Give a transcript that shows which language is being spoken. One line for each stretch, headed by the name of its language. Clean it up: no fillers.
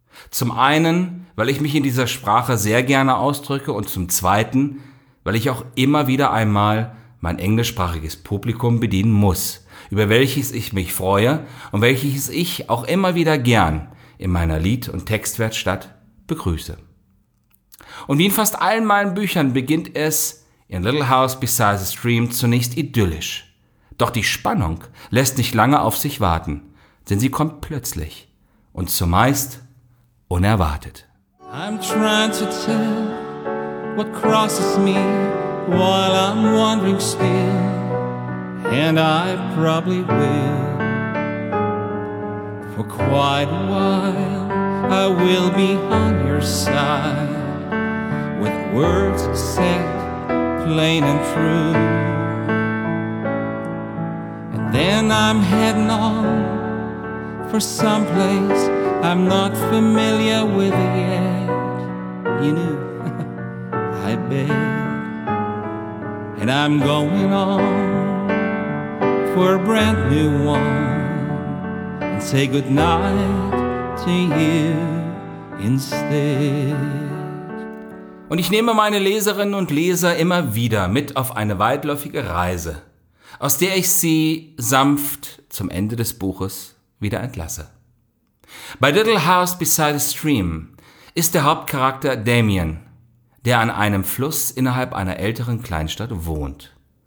German: Zum einen, weil ich mich in dieser Sprache sehr gerne ausdrücke und zum zweiten, weil ich auch immer wieder einmal mein englischsprachiges Publikum bedienen muss, über welches ich mich freue und welches ich auch immer wieder gern in meiner Lied- und Textwerkstatt begrüße. Und wie in fast allen meinen Büchern beginnt es in Little House Beside the Stream zunächst idyllisch. Doch die Spannung lässt nicht lange auf sich warten, denn sie kommt plötzlich und zumeist unerwartet.
English: I'm trying to tell what crosses me while I'm wandering still, and I probably will. For quite a while I will be on your side. With words said plain and true. And then I'm heading on for some place I'm not familiar with yet. You knew, I bet. And I'm going on for a brand new one and say goodnight to you instead.
German: Und ich nehme meine Leserinnen und Leser immer wieder mit auf eine weitläufige Reise, aus der ich sie sanft zum Ende des Buches wieder entlasse. Bei Little House Beside the Stream ist der Hauptcharakter Damien, der an einem Fluss innerhalb einer älteren Kleinstadt wohnt.